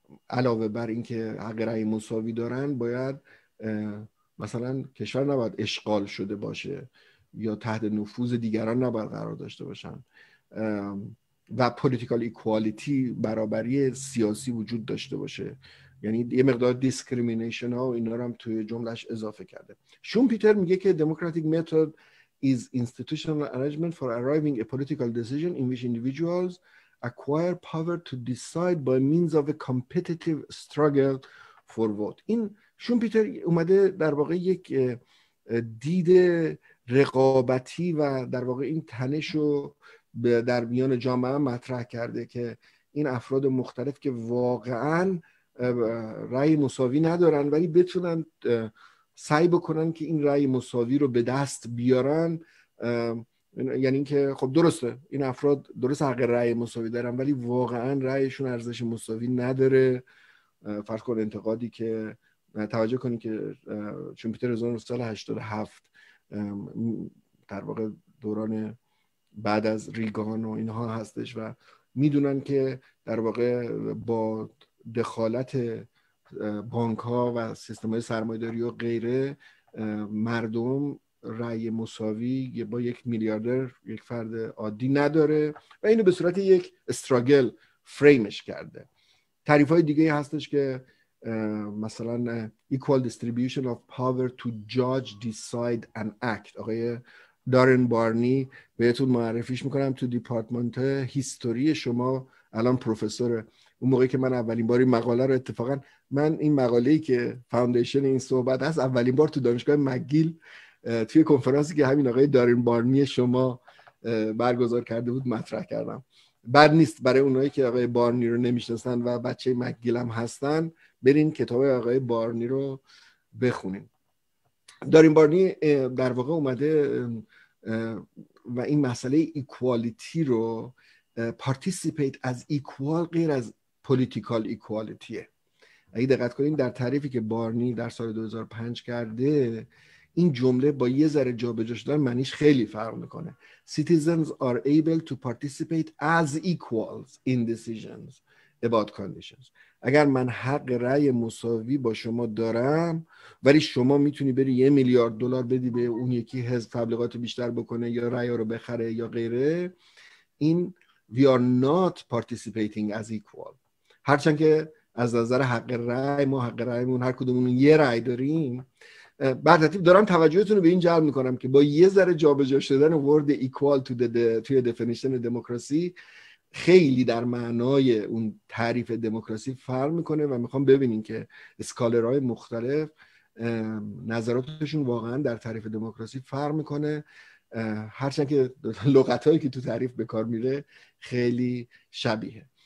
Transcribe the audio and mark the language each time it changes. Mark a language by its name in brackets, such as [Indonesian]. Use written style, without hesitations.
[Persian] علاوه بر اینکه حق رأی مساوی دارن، باید مثلا کشور نباید اشغال شده باشه یا تحت نفوذ دیگران نباید قرار داشته باشن و پولیتیکال ایکوالیتی، برابری سیاسی وجود داشته باشه، یعنی یه مقدار دیسکریمینیشن ها و اینا رو هم توی جملهش اضافه کرده. [English] Sean Peter [Persian] میگه که [English] democratic method is institutional arrangement for arriving a political decision in which individuals acquire power to decide by means of a competitive struggle for vote. [Persian] این شون پیتر اومده در واقع یک دید رقابتی و در واقع این تنش رو در میان جامعه مطرح کرده که این افراد مختلف که واقعا رأی مساوی ندارن ولی بتونن سعی بکنن که این رأی مساوی رو به دست بیارن، یعنی این که خب درسته این افراد درسته حق رأی مساوی دارن ولی واقعا رأیشون ارزش مساوی نداره. فرض کن انتقادی که توجه کنی که چون پیتر زون سال 87 در واقع دوران بعد از ریگان و اینها هستش و میدونن که در واقع با دخالت بانک ها و سیستم های سرمایه‌داری و غیره مردم رأی مساوی با یک میلیاردر، یک فرد عادی نداره و اینو به صورت یک استراگل فریمش کرده. تعریف های دیگه هستش که مثلا [English] equal distribution of power to judge, decide and act. [Persian] آقای دارن بارنی بهتون معرفیش میکنم، تو دیپارتمنت هیستوری شما الان پروفسوره. اون موقعی که من اولین باری مقاله رو، اتفاقا من این مقاله‌ای که فاوندیشن این صحبت هست، اولین بار تو دانشگاه مگیل توی کنفرانسی که همین آقای دارین بارنی شما برگزار کرده بود مطرح کردم. بد نیست برای اونایی که آقای بارنی رو نمی‌شناسن و بچه مک‌گیل هم هستن برین کتاب آقای بارنی رو بخونین. دارین بارنی در واقع اومده و این مسئله ایکوالیتی رو پارتیسیپیت از ایکوال غیر از پولیتیکال ایکوالیتیه. اگه دقت کنین در تعریفی که بارنی در سال 2005 کرده، این جمله با یه ذره جا به جا شدن معنیش خیلی فرق میکنه. [English] Citizens are able to participate as equals in decisions about conditions. [Persian] اگر من حق رأی مساوی با شما دارم ولی شما میتونی بری $1,000,000,000 بدی به اون یکی حزب تبلیغات بیشتر بکنه یا رأی رو بخره یا غیره، این [English] we are not participating as equal. [Persian] هرچند که از نظر حق رأی ما، حق رأیمون، هر کدومون یه رأی داریم، بعد ترتیب دارم توجهتون رو به این جلب میکنم که با یه ذره جابجا شدن [English] word equal to [Persian] توی [English] definition democracy [Persian] خیلی در معنای اون تعریف دموکراسی فرق میکنه و میخوام ببینین که اسکالرهای مختلف نظراتشون واقعا در تعریف دموکراسی فرق میکنه، هرچند که لغتایی که تو تعریف به کار میره خیلی شبیه.